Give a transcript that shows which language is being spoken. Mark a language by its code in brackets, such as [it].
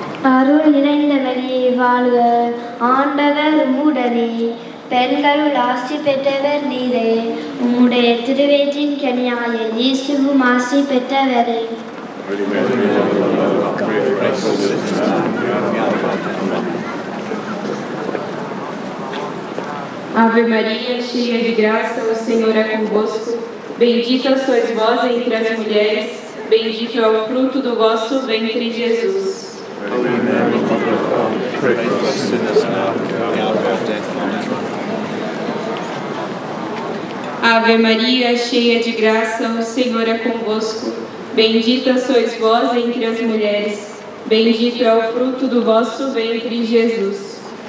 [ta] அருள் நிறைந்தவனே வாழ்க ஆண்டவர் உம்முடனே பெண்கள் ராசி பெற்றவர் நீரே உம்முடைய திருவேற்றிக்கனியாயே இயேசுவும் ராசி பெற்றவர் [pt] Ave Maria, cheia de graça, o Senhor é convosco. Bendita sois vós entre as mulheres, bendito é o fruto do vosso ventre, Jesus. [en] Holy Mary, Mother of God, pray for us sinners now and at the hour of death. [pt] Ave Maria, cheia de graça, o Senhor é convosco. Bendita sois vós entre as mulheres. Bendito é o fruto do vosso ventre, Jesus.